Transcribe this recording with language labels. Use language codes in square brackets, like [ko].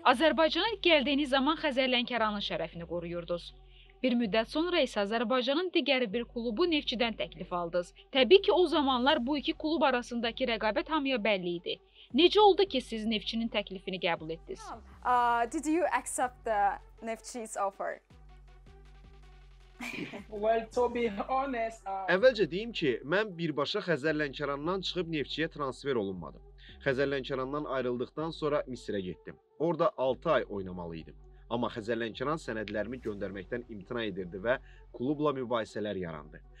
[az] Azərbaycana gəldiyiniz zaman Xəzər Lənkəranın şərəfini qoruyurdunuz. Bir müddət sonra isə Azərbaycanın digər bir klubu Neftçidən təklif aldınız. Təbii ki, o zamanlar bu iki klub arasındakı rəqabət hamıya bəlli idi. Necə oldu ki, siz Neftçinin təklifini qəbul etdiniz? [en] Did you accept the Neftçi's offer? Well, to be honest, [az] Əvvəlcə deyim ki, mən birbaşa Xəzər Lənkərandan çıxıb Neftçiyə transfer olunmadım. Xəzər Lənkərandan ayrıldıqdan sonra Misirə getdim. Orada 6 ay oynamalıydım. Amma Xəzər Lənkəran sənədlərimi göndərməkdən imtina edirdi və klubla mübahisələr yarandı.